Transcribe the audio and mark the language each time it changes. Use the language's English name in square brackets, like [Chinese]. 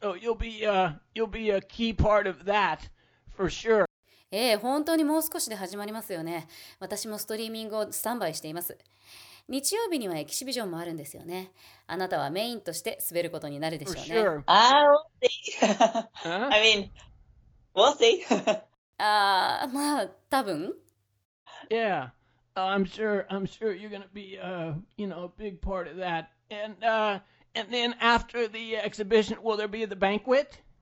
[English] So you'll be a key part of that for sure. [Japanese] ええ、本当にもう少しで始まりますよね。私もストリーミングをスタンバイしています。日曜日にはエキシビジョンもあるんですよね。あなたはメインとして滑ることになるでしょうね。 [English] For sure. I mean... We'll see. Yeah, I'm sure you're going to be, a big part of that. And then after the exhibition, will there be the banquet?